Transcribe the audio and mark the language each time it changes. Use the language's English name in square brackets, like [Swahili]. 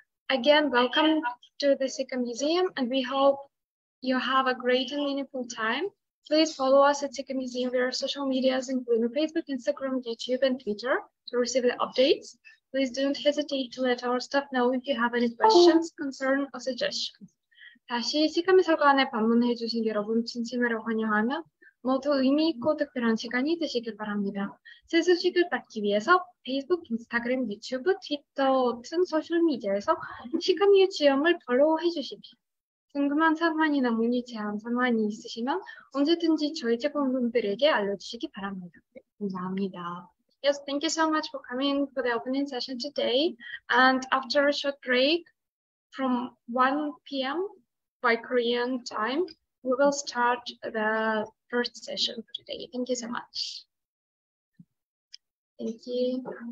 [English] Again, welcome to the CICA Museum, and we hope you have a great and meaningful time. Please follow us at CICA Museum via social medias, including Facebook, Instagram, YouTube, and Twitter to receive the updates. Please don't hesitate to let our staff know if you have any questions, concerns, or suggestions. [Korean] 다시 CICA 미술관에 방문해 주신 여러분 진심으로 환영하며 모두 의미 있고 특별한 시간이 되시길 바랍니다. 새 소식을 받기 위해서 페이스북, 인스타그램, 유튜브, 트위터 등 소셜미디어에서 CICA 뮤지엄을 팔로우해 주십시오. 궁금한 사항이나 문의 제안 사항이 있으시면 언제든지 저희 직원분들에게 알려주시기 바랍니다. 감사합니다. [English] Yes, thank you so much for coming for the opening session today. And after a short break from 1 p.m. by Korean time, we will start the first session for today. Thank you so much. Thank you.